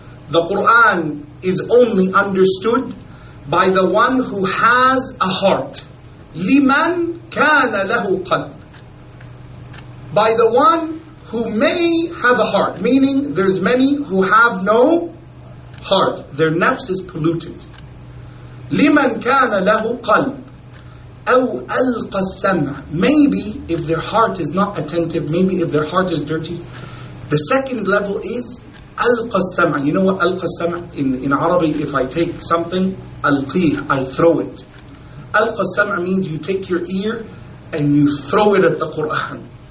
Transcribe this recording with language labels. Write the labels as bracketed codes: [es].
[en] The Qur'an is only understood by the one who has a heart. [ar] لِمَنْ كَانَ لَهُ قَلْبٌ. [en] By the one who may have a heart. Meaning, there's many who have no heart, their nafs is polluted. [ar] لِمَنْ كَانَ لَهُ قَلْبٌ أَوْ أَلْقَ السَّمْعَ. [en] Maybe if their heart is not attentive, maybe if their heart is dirty. The second level is [ar] أَلْقَ السَّمْعَ. [en] You know what أَلْقَ السَّمْعَ in Arabic, if I take something, [ar] أَلْقِيه, [en] I throw it. [ar] أَلْقَ السَّمْعَ [en] means you take your ear and you throw it at the Qur'an.